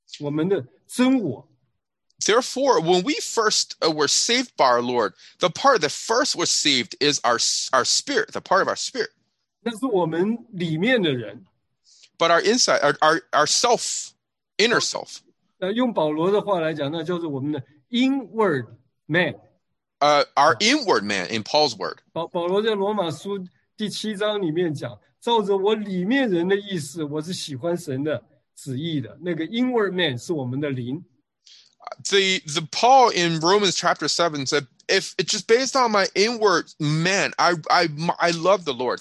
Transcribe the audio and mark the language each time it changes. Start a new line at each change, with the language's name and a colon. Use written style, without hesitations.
Chinese: 那告诉我们说我们蒙恩得救了,最先向神活过来的是我们的灵那一部分,我们的真我。
English: Therefore, when we first were saved by our Lord, the part that first was saved is our spirit, the part of our spirit.
Chinese: 那是我们里面的人。
English: But our inside, our self, inner self.
Chinese: 用保罗的话来讲,那叫做我们的inward man.
English: Our inward man, in Paul's word.
Chinese: 保罗在罗马书第七章里面讲,照着我里面人的意思,我是喜欢神的旨意的,那个inward man是我们的灵。
English: The Paul in Romans chapter 7 said, if it's just based on my inward man, I love the Lord.